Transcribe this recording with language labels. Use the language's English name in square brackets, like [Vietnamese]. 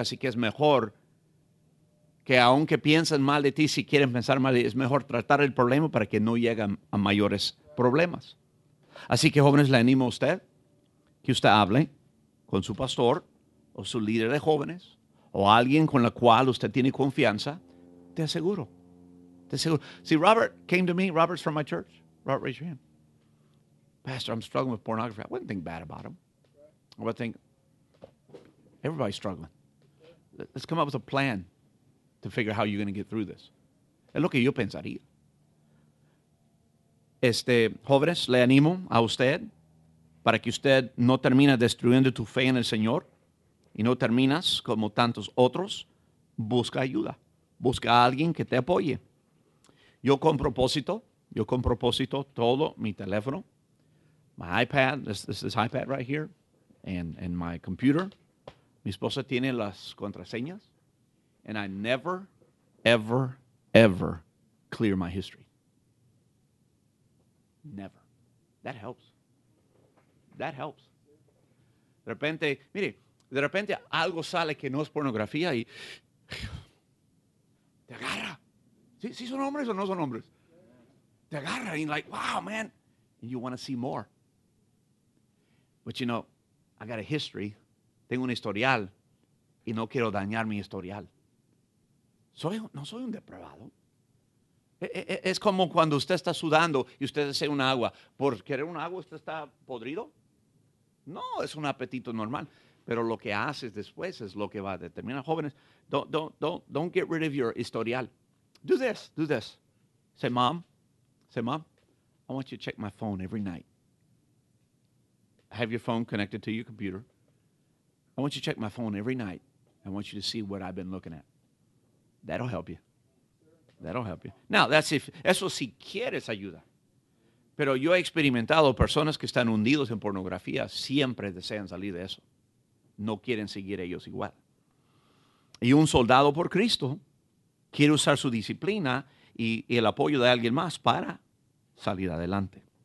[Spanish] Así que es mejor que aunque piensen mal de ti, si quieren pensar mal, es mejor tratar el problema para que no lleguen a mayores problemas. Así que, jóvenes, le animo a usted que usted hable con su pastor o su líder de jóvenes o alguien con la cual usted tiene confianza. Te aseguro. [English] Si Robert came to me, Robert's from my church. Robert, raise your hand. Pastor, I'm struggling with pornography. I wouldn't think bad about him. I would think, everybody's struggling. Let's come up with a plan to figure how you're going to get through this. [Spanish] Es lo que yo pensaría. Jóvenes, le animo a usted para que usted no termine destruyendo tu fe en el Señor y no terminas como tantos otros. Busca ayuda. Busca a alguien que te apoye. Yo con propósito, todo mi teléfono, [English] my iPad, this iPad right here, and my computer. [Spanish] Mi esposa tiene las contraseñas. [English] And I never, ever, ever clear my history. Never. That helps. [Spanish] De repente algo sale que no es pornografía y te agarra. ¿Sí son hombres o no son hombres? Te agarra y [English] like, wow, man. And you want to see more. But you know, I got a history. [Spanish] Tengo un historial y no quiero dañar mi historial. No soy un depravado. Es como cuando usted está sudando y usted desea un agua. ¿Por querer un agua usted está podrido? No, es un apetito normal. Pero lo que haces después es lo que va a determinar. [English] Jóvenes, don't get rid of your historial. Do this. Say, mom, I want you to check my phone every night. Have your phone connected to your computer. I want you to check my phone every night. I want you to see what I've been looking at. That'll help you. Now, that's if [Spanish] eso si quieres ayuda. Pero yo he experimentado personas que están hundidos en pornografía, siempre desean salir de eso. No quieren seguir ellos igual. Y un soldado por Cristo quiere usar su disciplina y el apoyo de alguien más para salir adelante.